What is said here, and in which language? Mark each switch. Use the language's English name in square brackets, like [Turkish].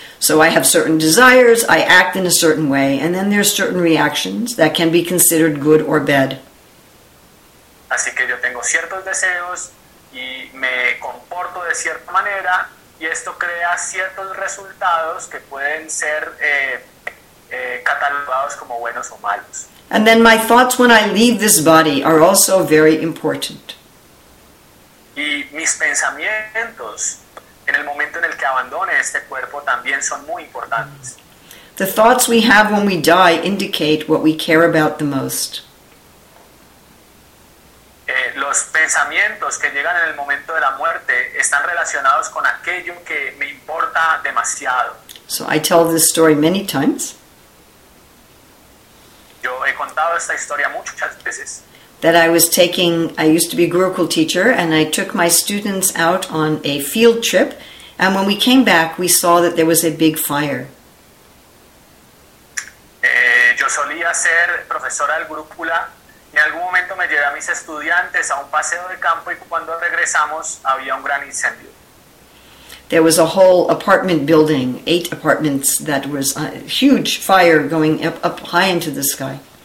[English] So I have certain desires, I act in a certain way, and then there are certain reactions that can be considered good or bad. [Spanish] Así que yo tengo ciertos deseos y me comporto de cierta manera y esto crea ciertos resultados que pueden ser catalogados como buenos o malos. [English] And then my thoughts when I leave this body are also very important. [Spanish] Y mis pensamientos en el momento en el que abandone este cuerpo también son muy importantes. [English] The thoughts we have when we die indicate what we care about the most. [Spanish] Los pensamientos que llegan en el momento de la muerte están relacionados con aquello que me importa demasiado. [English] So I tell this story many times. [Spanish] Yo he contado esta historia muchas veces. [English] That I used to be a Gurukul teacher, and I took my students out on a field trip, and when we came back, we saw that there was a big fire. [Spanish] Yo solía ser profesora del Gurukula. En algún momento me llevé a mis estudiantes a un paseo de campo y cuando regresamos había un gran incendio. [English] There was a whole apartment building, 8 apartments, that was a huge fire going up high into the sky.